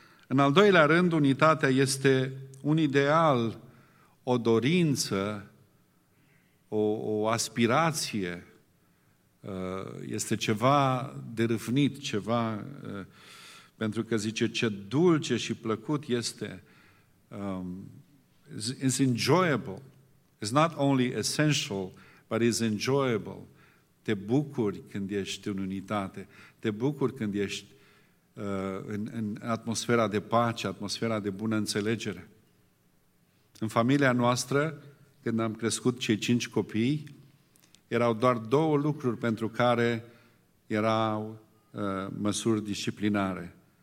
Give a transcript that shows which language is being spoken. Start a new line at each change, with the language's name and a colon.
Romanian: În al doilea rând, unitatea este un ideal, o dorință, o aspirație, este ceva de râvnit, ceva, pentru că zice ce dulce și plăcut este.
English: It's enjoyable. It's not only essential, but it's enjoyable.
Romanian: Te bucuri când ești în unitate. Te bucuri când ești în atmosfera de pace, atmosfera de bună înțelegere. În familia noastră, când am crescut cei 5 copii, erau doar 2 lucruri pentru care erau măsuri disciplinare.